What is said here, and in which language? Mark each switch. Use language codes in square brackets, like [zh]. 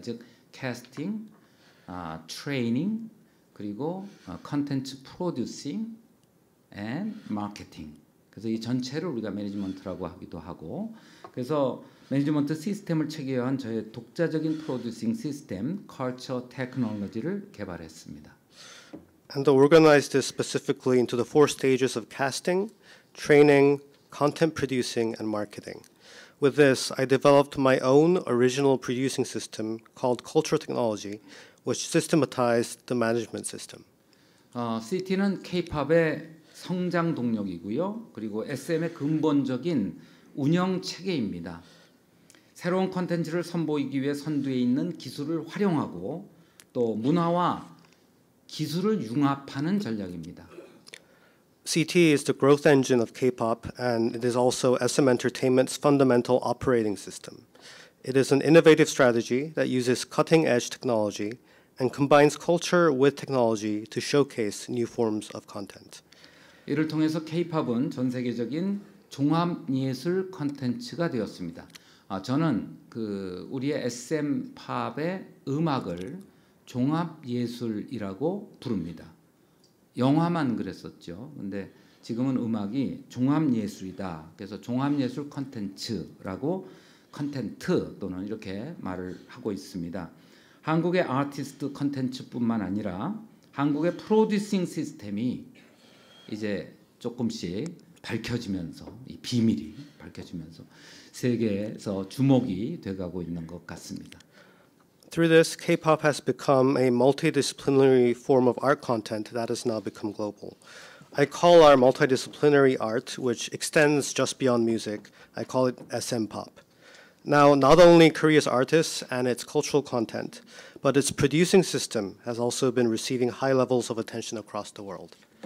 [ko] 즉 캐스팅, 아 트레이닝, 그리고 컨텐츠 프로듀싱, 앤 마케팅. 그래서 이 전체를 우리가 매니지먼트라고 하기도 하고 그래서 매니지먼트 시스템을 체계화한 저의 독자적인 프로듀싱 시스템, 컬처 테크놀로지를 개발했습니다. [en] And to organize this specifically into the four stages of casting, training, content producing, and marketing. With this, I developed my own original producing system called Culture Technology, which systematized the management system. [ko] CT는 K-POP의 성장 동력이고요. 그리고 SM의 근본적인 운영 체계입니다. 새로운 콘텐츠를 선보이기 위해 선두에 있는 기술을 활용하고 또 문화와 기술을 융합하는 전략입니다. [en] CT is the growth engine of K-pop and it is also SM Entertainment's fundamental operating system. It is an innovative strategy that uses cutting-edge technology and combines culture with technology to showcase new forms of content. [ko] 이를 통해서 K-pop은 전 세계적인 종합 예술 콘텐츠가 되었습니다. 아, 저는 그 우리의 SM 팝의 음악을 종합 예술이라고 부릅니다. 영화만 그랬었죠. 근데 지금은 음악이 종합 예술이다. 그래서 종합 예술 콘텐츠라고 콘텐츠 또는 이렇게 말을 하고 있습니다. 한국의 아티스트 콘텐츠뿐만 아니라 한국의 프로듀싱 시스템이 이제 조금씩 밝혀지면서 이 비밀이 밝혀지면서 세계에서 주목이 돼가고 있는 것 같습니다. [en] Through this, K-pop has become a multidisciplinary form of art content that has now become global. I call our multidisciplinary art, which extends just beyond music, I call it SM pop. Now, not only Korea's artists and its cultural content, but its producing system has also been receiving high levels of attention across the world.